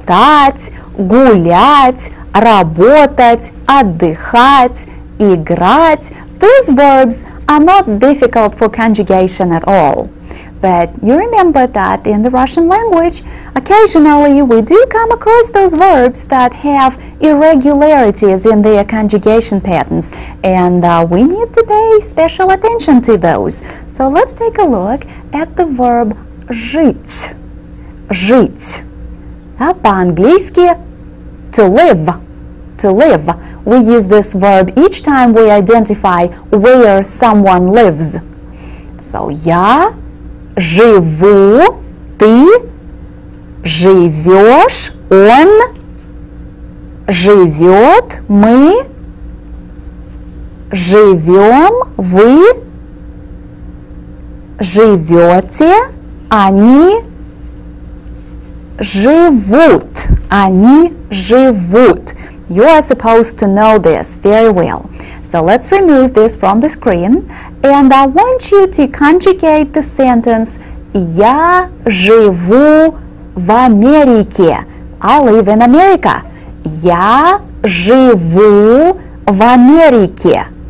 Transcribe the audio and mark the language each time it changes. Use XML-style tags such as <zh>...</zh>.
<ru>читать, гулять, работать, отдыхать, играть.</ru> <en>These verbs are not difficult for conjugation at all. But you remember that in the Russian language, occasionally we do come across those verbs that have irregularities in their conjugation patterns, and we need to pay special attention to those. So let's take a look at the verb жить. Жить.</en> <ru>А по-английски</ru> <en>to live. To live. We use this verb each time we identify where someone lives.</en> <ru>So я живу, ты живешь, он живет, мы живем, вы живете, они живут, они живут.</ru> <en>You are supposed to know this very well. So let's remove this from the screen. And I want you to conjugate the sentence</en> <ru>Я живу в Америке.</ru> <en>I live in America.</en> <ru>Я живу в Америке.</ru>